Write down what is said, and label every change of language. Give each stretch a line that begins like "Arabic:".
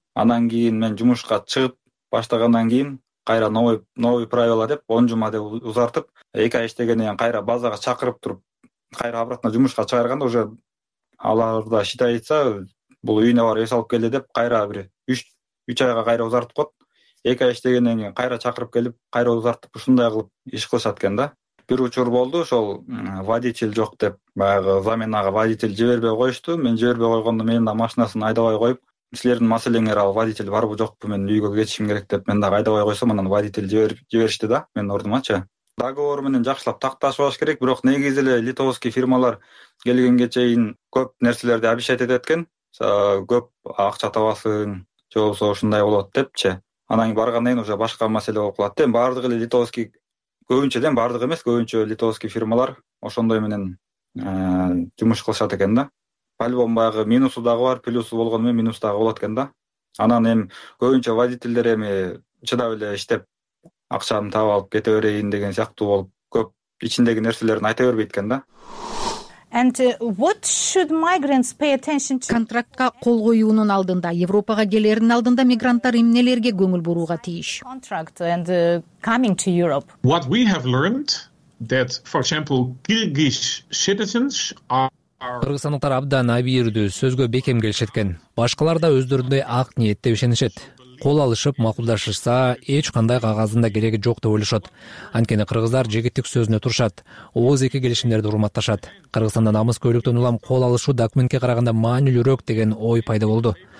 Kyrgyz: Анан кийин мен жумушка чыгып баштагандан кийин кайра
Russian: новый правила
Kyrgyz: деп 10 жума деп узартып, 2 ай иштегенден кийин кайра базага чакырып туруп, кайра
Russian: обратно
Kyrgyz: жумушка чыгарганда
Russian: уже
Kyrgyz: аларда
Russian: считается,
Kyrgyz: бул үйүнө барып эс алып келди деп кайра бир 3 айга кайра узартып коет. 2 ай иштегенден кийин кайра чакырып келип, кайра узартып ушундай кылып иш кылышат экен да. Бир учур болду, ошол водитель жок деп, баягы заменага водитель жибербей коюшту. Мен жибербей койгондо менин да машинасын айдабай коюп, силердин маселеңер ал водитель барбы жокпу, мен үйгө кетишим керек деп, мен дагы айдабай койсом анан водитель жиберишти да менин ордумачы. Договор менен жакшылап такташпаш керек, бирок негизи эле литовский фирмалар келгенге чейин көп нерселерди
Russian: обещать
Kyrgyz: этет экен. Көп акча табасың, же болбосо ушундай болот депчи. Анан кийин баргандан кийин
Russian: уже
Kyrgyz: башка маселе болуп калат. Эми баардык эле литовский, көбүнчө да, баардык эмес, көбүнчө литовский фирмалар ошондой менен жумуш кылышат экен да.
Russian: По-любому
Kyrgyz: баягы минусу дагы бар, плюсу болгону менен минус дагы болот экен да. Анан эми көбүнчө водительдер эми чыдап эле иштеп акчаны таап алып кете берейин деген сыяктуу болуп, көп ичиндеги нерселерин айта бербейт экен да.
English: And what should migrants pay attention to?
Kyrgyz: Контрактка кол коюунун алдында, Европага келердин алдында мигранттар эмнелерге көңүл бурууга тийиш?
English: Contract and coming to Europe. What we have learned that, for example, Kyrgyz citizens are
Kyrgyz: кыргызстандыктар абдан абийирдүү, сөзгө бекем келишет экен. Башкалар да өздөрүндөй ак ниетте ишенишет. Кол алышып макулдашышса, эч кандай кагаздын да кереги жок деп ойлошот. Анткени кыргыздар жегиттик сөзүнө турушат, ооз эки келишимдерди урматташат. Кыргызстанда намыс көйлөктөн улам кол алышуу документке караганда маанилүүрөөк деген ой пайда болду.